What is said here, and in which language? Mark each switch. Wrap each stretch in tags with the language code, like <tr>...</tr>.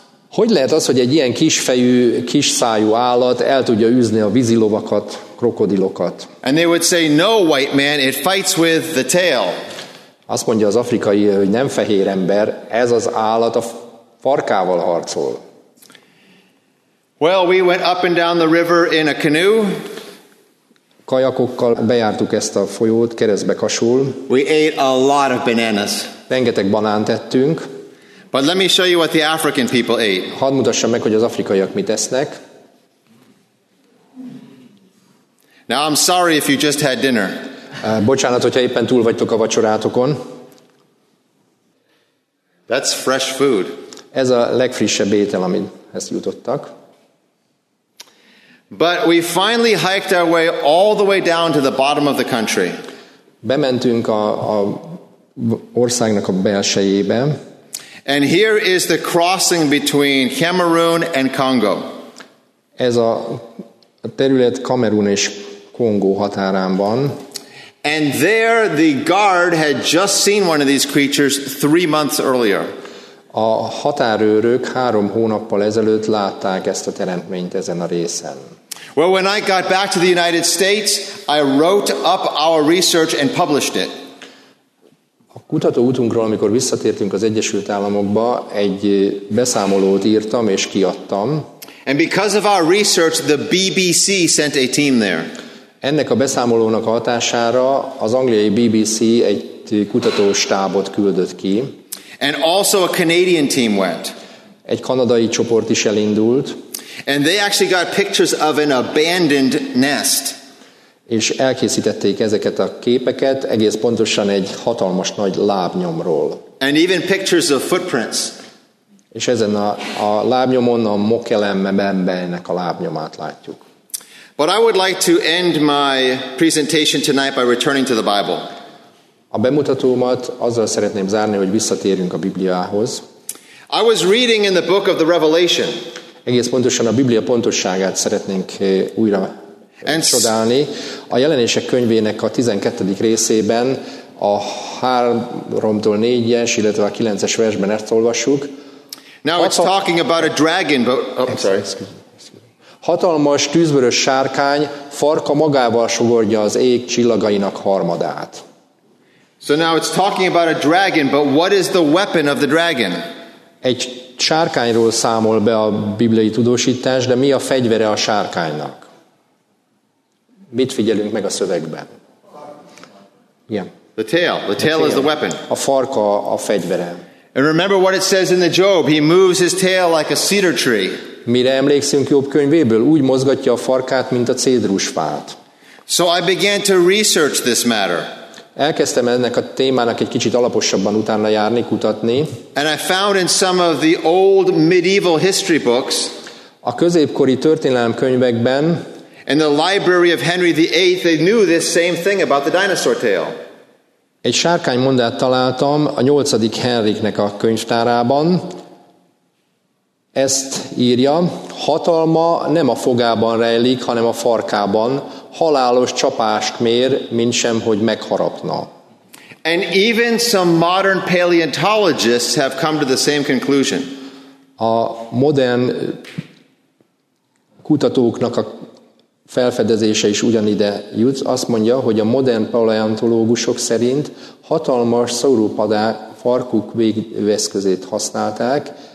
<hu>Hogy lehet az, hogy egy ilyen kis fejű, kis szájú állat el tudja űzni a vízilovakat, krokodilokat?</hu> <en>And they would say, no, white man, it fights with the tail.</en> <hu>Azt mondja az afrikai, hogy nem fehér ember, ez az állat a farkával harcol.</hu> <en>Well, we went up and down the river in a canoe.</en> <hu>Kajakokkal bejártuk ezt a folyót keresztbe kasul.</hu> <en>We ate a lot of bananas.</en> <hu>Rengeteg banánt ettünk.</hu> <en>But let me show you what the African people ate.</en> <hu>Hadd mutassam meg, hogy az afrikaiak mit esznek.</hu> <en>Now I'm sorry if you just had dinner.</en> <hu>Bocsánat, hogyha éppen túl vagytok a vacsorátokon.</hu> <en>That's fresh food.</en> <hu>Ez a legfrissebb étel, amit ezt jutottak.</hu> <en>But we finally hiked our way all the way down to the bottom of the country.</en> <hu>Bementünk a országnak a belsejébe.</hu> <en>And here is the crossing between Cameroon and Congo.</en> <hu>Ez a terület Kamerun és Kongó határán van.</hu> <en>And there the guard had just seen one of these creatures 3 months earlier.</en> <hu>A határőrök 3 hónappal ezelőtt látták ezt a teremtményt ezen a részen.</hu> <en>Well, when I got back to the United States, I wrote up our research and published it.</en> <hu>A kutató útunkról, amikor visszatértünk az Egyesült Államokba, egy beszámolót írtam és kiadtam.</hu> <en>And because of our research, the BBC sent a team there.</en> <hu>Ennek a beszámolónak a hatására az angliai BBC egy kutatóstábot küldött ki.</hu> <en>And also a Canadian team went.</en> <hu>Egy kanadai csoport is elindult.</hu> <en>And they actually got pictures of an abandoned nest.</en> <hu>És elkészítették ezeket a képeket, egész pontosan egy hatalmas nagy lábnyomról.</hu> <en>And even pictures of footprints.</en> <hu>És ezen a lábnyomon a mokelembenbennek a lábnyomát látjuk.</hu> <en>But I would like to end my presentation tonight by returning to the Bible.</en> <hu>A bemutatómat azzal szeretném zárni, hogy visszatérünk a Bibliához.</hu> <en>I was reading in the book of the Revelation.</en> <hu>Egész pontosan a Biblia pontosságát szeretnénk újra csodálni. A Jelenések könyvének a 12. részében a 3-tól 4-es, illetve a 9-es versben ezt olvassuk.</hu> <en>Now it's talking about a dragon, but</en> <hu>Hatalmas tűzvörös sárkány farka magával sugordja az ég csillagainak harmadát.</hu> <en>So now it's talking about a dragon, but what is the weapon of the dragon?</en> <hu>Egy sárkányról számol be a bibliai tudósítás, de mi a fegyvere a sárkánynak? Mit figyelünk meg a szövegben? Igen.</hu> <en>The tail is the weapon.</en> <hu>A farka a fegyvere.</hu> <en>And remember what it says in the Job, he moves his tail like a cedar tree.</en> <hu>Mire emlékszünk Jobb könyvéből, úgy mozgatja a farkát, mint a cédrusfát.</hu> <en>So I began to research this matter.</en> <hu>Elkezdtem ennek a témának egy kicsit alaposabban utána járni, kutatni.</hu> <en>And I found in some of the old medieval history books,</en> <hu>a középkori történelem könyvekben,</hu> <en>in the library of Henry VIII, they knew this same thing about the dinosaur tail.</en> <hu>Egy sárkány mondát találtam a 8. Henriknek a könyvtárában. Ezt írja, hatalma nem a fogában rejlik, hanem a farkában. Halálos csapást mér, mintsem, hogy megharapna.</hu> <en>And even some modern paleontologists have come to the same conclusion.</en> <hu>A modern kutatóknak a felfedezése is ugyanide jut. Azt mondja, hogy a modern paleontológusok szerint hatalmas szaurópodák farkuk végeszközét használták.</hu>